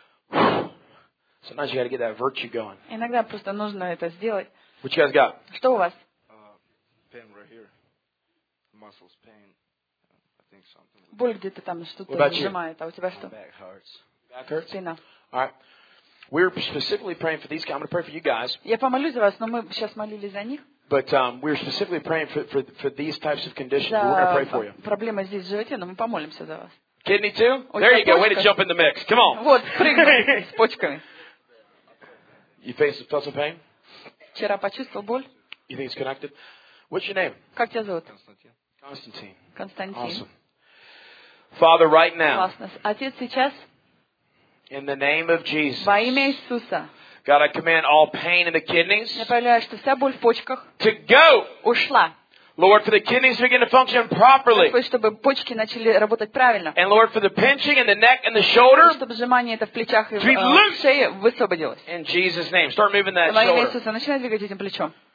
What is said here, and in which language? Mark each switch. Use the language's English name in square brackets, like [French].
[English] Sometimes you got to get that virtue going. [Russian] Иногда просто нужно это сделать. [English] What you guys got? [Russian] Что у вас? [English] Pain right here. Muscles pain. I think something. [Russian] Боль где-то там что-то сжимает. А у тебя что? [English] Back hurts. Back hurts. [Russian] Спина. [English] All right. We're specifically praying for these guys. I'm going to pray for you guys. [Russian] Я помолюсь за вас, но мы сейчас молились за них. [English] But we're specifically praying for these types of conditions. We're going to pray for you. [Russian] Проблема здесь в животе, но мы помолимся за вас. [English] Kidney too? There you go. Way to jump in the mix. Come on. [Russian] Вот, прыгай с почками. [English] You face a tussle pain? [Russian] Вчера почувствовал боль. [English] You think it's connected? What's your name? [Russian] Как тебя зовут? Константин. Константин. [English] Awesome. Father, right now. [Russian] Классно. Отец, сейчас. [English] In the name of Jesus. [Russian] Во имя Иисуса. [English] God, I command all pain in the kidneys. [Russian] Я повелеваю, что вся боль в почках. [English] To go. [Russian] Ушла. [English] Lord, for the kidneys to begin to function properly. [Russian] Господь, чтобы почки начали работать правильно. [English] And Lord, for the pinching in the neck and the shoulders. [Russian] Чтобы сжимание это в плечах и в шее высвободилось. [English] In Jesus' name, start moving that shoulder. [Russian] Во имя Иисуса, начинай двигать этим плечом.